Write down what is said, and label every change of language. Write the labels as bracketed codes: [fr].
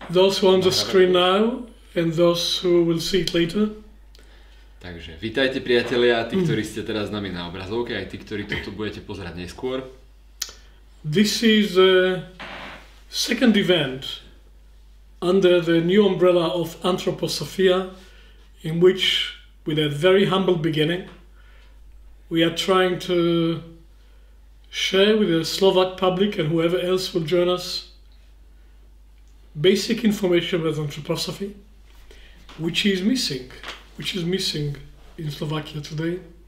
[en] Those who are on the screen now and those who will see it later. [sk] Takže vítajte priatelia a tí, ktorí ste teraz s nami na obrazovke, aj tí, ktorí toto budete pozerať neskôr. [en] This is the second event under the new umbrella of Anthroposophia, in which, with a very humble beginning, we are trying to share with the Slovak public and whoever else will join us basic information about anthroposophy, which is missing in Slovakia today,